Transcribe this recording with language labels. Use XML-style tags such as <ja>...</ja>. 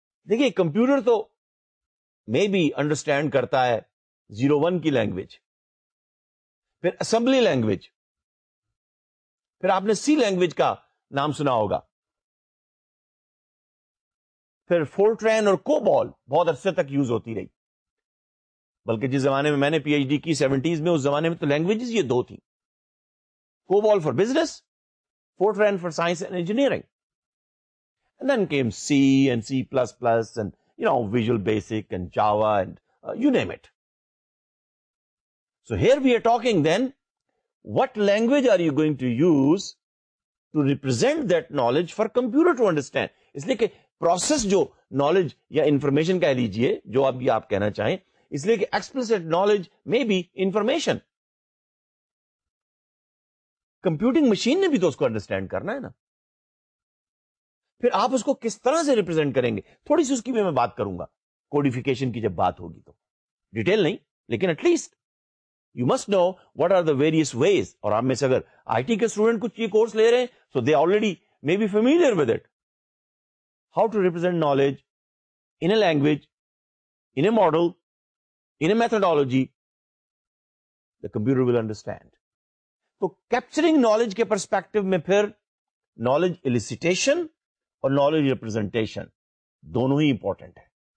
<ur>دیکھیے کمپیوٹر تو</ur> <en>maybe understand</en> <ur>کرتا ہے 01 کی لینگویج, پھر اسمبلی لینگویج, پھر آپ نے سی لینگویج کا نام سنا ہوگا, پھر فورٹرین اور کوبال بہت عرصے تک یوز ہوتی رہی, بلکہ جس زمانے میں نے پی ایچ ڈی کی 70s میں, اس زمانے میں تو لینگویجز یہ دو تھیں, کوبال for business, Fortran for science and engineering.</ur> <en>And then came C and C++ and, you know, Visual Basic and Java and you name it. So here we are talking then, what language are you going to use to represent that knowledge for computer to understand?</en> <ur>اس لیے کہ process جو knowledge یا information کہہ لیجئے, جو اب بھی آپ کہنا چاہیں, اس لیے کہ</ur> <en>explicit knowledge may be information.</en> <ur>Computing machine نے بھی تو اس کو understand کرنا ہے نا. پھر آپ اس کو کس طرح سے ریپرزینٹ کریں گے, تھوڑی سی اس کی بھی میں بات کروں گا کوڈیفیکیشن کی جب بات ہوگی تو, ڈیٹیل نہیں لیکن</ur> <en>At least you must know what are the various ways.</en> <ur>اور آپ میں سے اگر آئی ٹی کے اسٹوڈنٹ کچھ یہ کورس لے رہے ہیں</ur> <en>So they already may be familiar with it. How to represent knowledge in a language, in a model, in a methodology, the computer will understand.</en> <ur>تو کیپچرنگ نالج کے پرسپیکٹو میں پھر نالج الیسیٹیشن اور نالج ریپرزینٹیشن دونوں ہی important ہے.</ur>